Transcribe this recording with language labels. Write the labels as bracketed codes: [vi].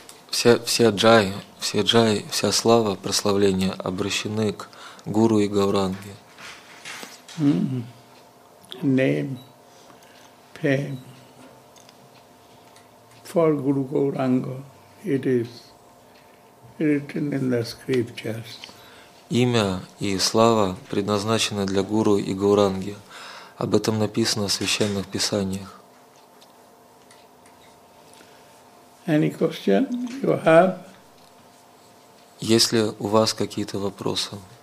[ru] Вся Джай, вся слава, прославление обращены к Гуру и Гауранге. [en] Name, fame, for Guru Gauranga, it is written in the scriptures. [ru] Имя и слава предназначены для Гуру и Гауранги. Об этом написано в священных писаниях. [en] Any question you have? [ru] Есть ли у вас какие-то вопросы?